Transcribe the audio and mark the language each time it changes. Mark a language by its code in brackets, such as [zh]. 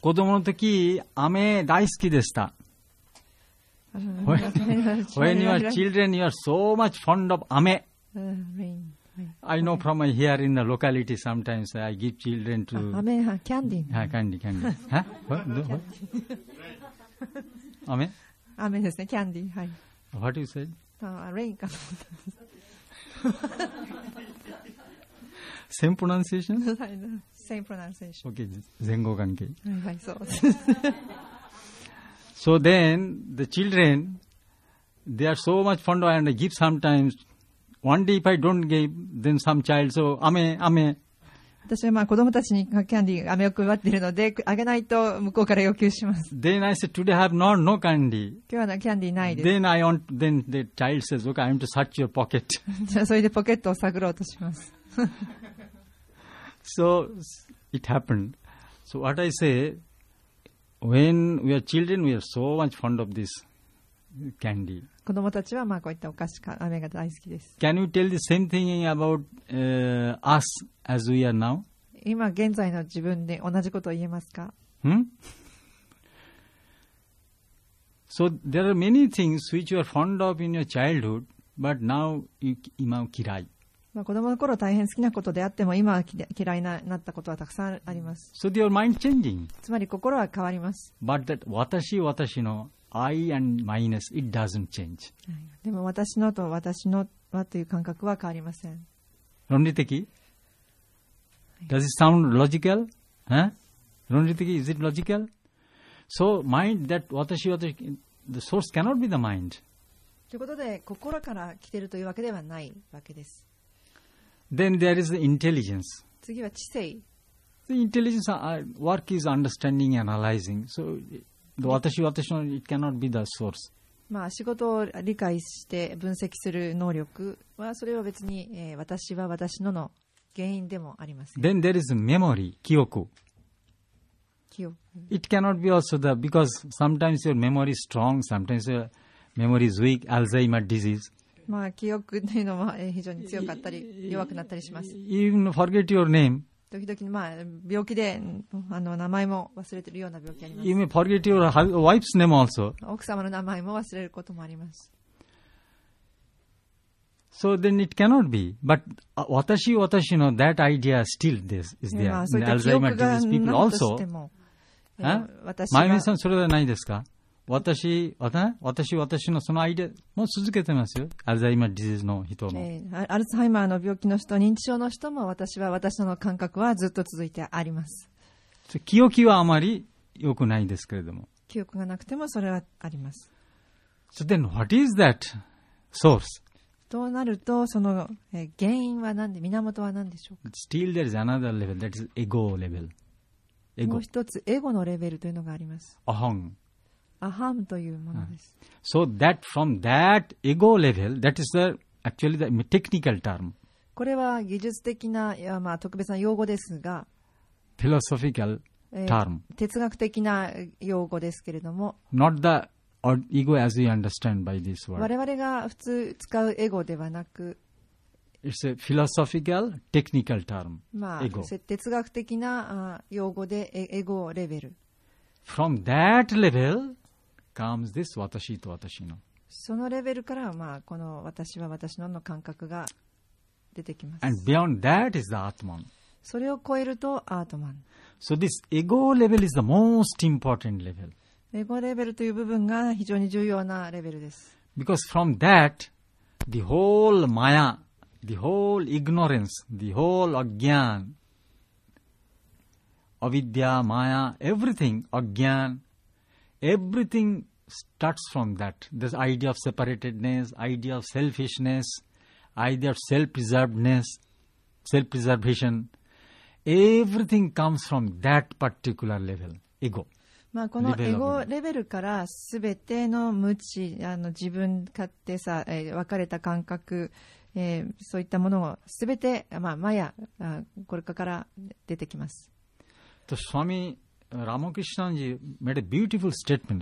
[ja] 子供の時雨大好きでした。 [en] When you are children, you are so much fond of [ja] 雨。 [en] rain. I know from my here in the locality sometimes I give children to [ja] 雨はキャンディー。はい、キャンディー。雨ですね、キャンディー。はい。 [en] What do you say? Rain [ja] か。 [en] Same pronunciation? Same pronunciation. Okay, [ja] 前後関係。はい、そう。 [en] So then, the children, they are so much fond of and give sometimes. One day if I don't give, then some child, so, [ja] 雨。私はまあ子供たちにキャンディー、雨を配っているので、あげないと向こうから要求します。 [en] Then I said, today I have no candy. [ja] 今日はキャンディーないです。 [en] Then I want, then the child says, okay, I want to search your pocket. [ja] じゃあそれでポケットを探ろうとします。 [en] So it happened. So what I say, when we are children, we are so much fond of this candy. [ja] 子供たちはまあこういったお菓子か飴が大好きです。 [en] Can you tell the same thing about us as we are now? [ja] 今現在の自分で同じことを言えますか？ [en] So there are many things which you are fond of in your childhood, but now you [ja] 今嫌い。子供の頃大変好きなことであっても今は嫌いになったことはたくさんあります。 [en] So your mind changing. [ja] つまり心は変わります。 [en] But that [ja] 私の [en] I and minus it doesn't change. [ja] でも私のと私のはという感覚は変わりません。論理的？ [en] Does it sound logical? Huh? 論理的？Is it logical? So mind that [ja] 私 [en] the source cannot be the mind. [ja] ということで心から来ているというわけではないわけです。 [en] Then there is the intelligence. [ja] 次は知性。 [en] The intelligence work is understanding, analyzing. So the [ja] 私私の [en] it cannot be the source. [ja] まあ仕事を理解して分析する能力はそれは別に、私は私のの原因でもありません。 [en] Then there is memory, [ja] 記憶。記憶。 [en] It cannot be also the because sometimes your memory is strong, sometimes your memory is weak, Alzheimer's disease. [ja] まあ、記憶というのは非常に強かったり弱くなったりします。 [en] Even forget your name. [ja] 時々まあ病気であの名前も忘れているような病気あります。 [en] Even forget your wife's name also. [ja] 奥様の名前も忘れることもあります。 [en] So then it cannot be. But [ja] 私私の [en] that idea still this is there. Alzheimer's disease people also. [ja] マユミさんそれはないですか？私のそのアイデアも続けてますよ。アルツハイマー病気の人も。アルツハイマーの病気の人、認知症の人も私は私の感覚はずっと続いてあります。記憶はあまり良くないですけれども。記憶がなくてもそれはあります。 [en] So then what is that source? [ja] となるとその原因は何で、源は何でしょうか? [en] Still there is another level, that is ego level. Ego. [ja] もう一つエゴのレベルというのがあります。アハン。アハムというものです。 [en] So that from that ego level, that is the actually the technical term. [ja] これは技術的な、まあ、特別な用語ですが、 [en] philosophical term. [ja] 哲学的な用語ですけれども、 [en] not the ego as we understand by this word. [ja] 我々が普通使うエゴではなく、 [en] it's a philosophical technical term. [ja] まあ、ego. 哲学的な用語でエゴレベル。 [en] From that level comes this [ja] 私と私の。そのレベルからまあこの私は私のの感覚が出てきます。 [en] And beyond that is the Atman. [ja] それを超えるとアートマン。 [en] So this ego level is the most important level. [ja] エゴレベルという部分が非常に重要なレベルです。 [en] Because from that, the whole maya, the whole ignorance, the whole agyan, avidya, maya, everything, agyan, everything starts from that. This idea of separatedness, idea of selfishness, idea of self-preservedness, self-preservation, everything comes from that particular level, ego. [ja] まあ、このエゴレベルからすべての無知、あの自分勝手さ、分かれた感覚、そういったものをすべて、まあ、マヤ、これから出てきます。 [en] とスワミラモクリシナンジ made a beautiful statement.